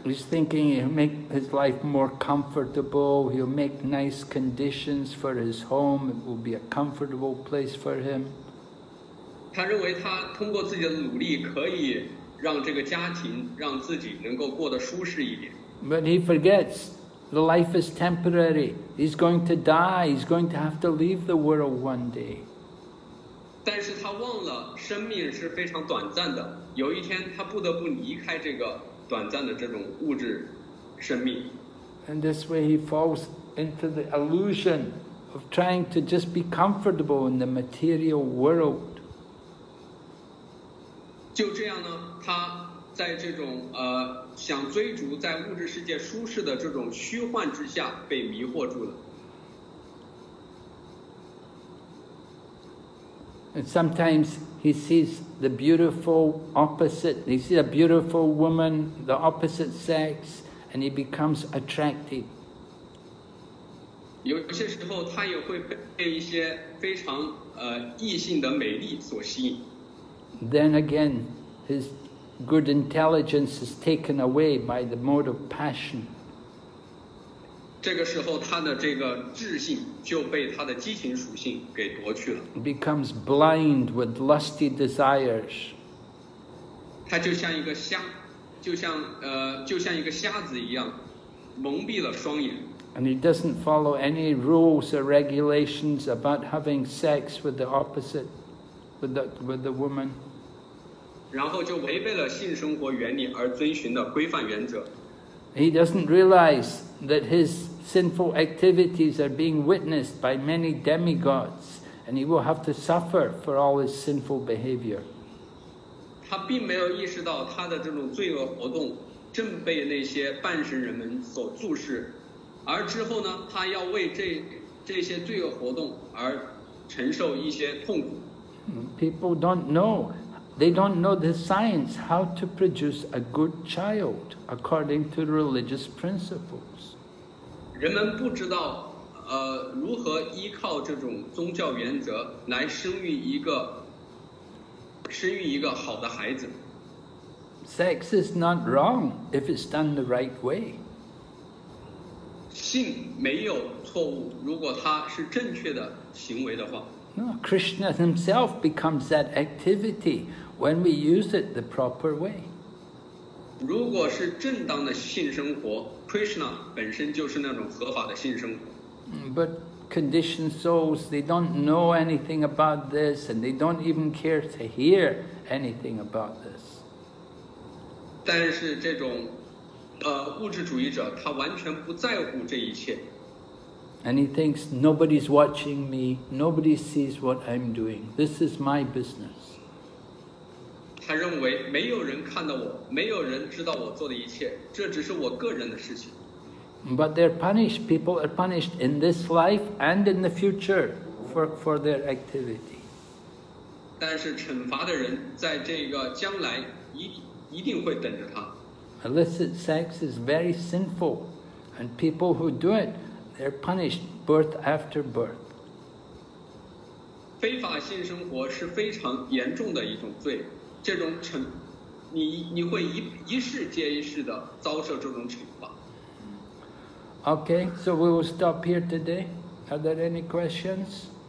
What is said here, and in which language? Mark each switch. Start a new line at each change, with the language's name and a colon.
English: He's thinking he'll make his life more comfortable, he'll make nice conditions for his home, it will be a comfortable place for him.
Chinese: 他认为他通过自己的努力可以让这个家庭让自己能够过得舒适一点。
English: But he forgets, the life is temporary. He's going to die. He's going to have to leave the world one day.
Chinese: 但是他忘了生命是非常短暂的，有一天他不得不离开这个短暂的这种物质生命。
English: And this way he falls into the illusion of trying to just be comfortable in the material world.
Chinese: 就这样呢，他在这种想追逐在物质世界舒适的这种虚幻之下被迷惑住了。
English: And sometimes he sees the beautiful opposite. He sees a beautiful woman, the opposite sex, and he becomes attracted.
Chinese: 有些时候他也会被一些非常异性的美丽所吸引。
English: Then again, his good intelligence is taken away by the mode of passion.
Chinese: 这个时候他的这个智性就被他的激情属性给夺去了。
English: Becomes blind with lusty desires.
Chinese: 他就像一个瞎，就像一个瞎子一样，蒙蔽了双眼。
English: And he doesn't follow any rules or regulations about having sex with the opposite, with the woman.
Chinese: 然后就违背了性生活原理而遵循的规范原则。
English: He doesn't realize that his sinful activities are being witnessed by many demigods, and he will have to suffer for all his sinful behavior.
Chinese: 他并没有意识到他的这种罪恶活动正被那些半神人们所注视，而之后呢，他要为这些罪恶活动而承受一些痛苦。
English: People don't know. They don't know the science how to produce a good child according to religious principles.
Chinese: 人们不知道，如何依靠这种宗教原则来生育一个好的孩子。
English: Sex is not wrong if it's done the right way.
Chinese: 性没有错误，如果它是正确的行为的话。
English: No, Krishna himself becomes that activity. When we use it the proper way.
Chinese: 如果是正当的性生活， Krishna 本身就是那种合法的性生活。
English: But conditioned souls, they don't know anything about this, and they don't even care to hear anything about this.
Chinese: 但是这种物质主义者，他完全不在乎这一切。
English: And he thinks, nobody's watching me, nobody sees what I'm doing. This is my business.
Chinese: 他认为没有人看到我，没有人知道我做的一切，这只是我个人的事情。
English: But they're punished. People are punished in this life and in the future for their activity.
Chinese: 但是惩罚的人在这个将来一定会等着他。
English: Illicit sex is very sinful, and people who do it, they're punished birth after birth.
Chinese: 非法性生活是非常严重的一种罪。这种惩，你会一世接一世的遭受这种惩罚。
English: Okay, so we will stop here today. Are there any questions?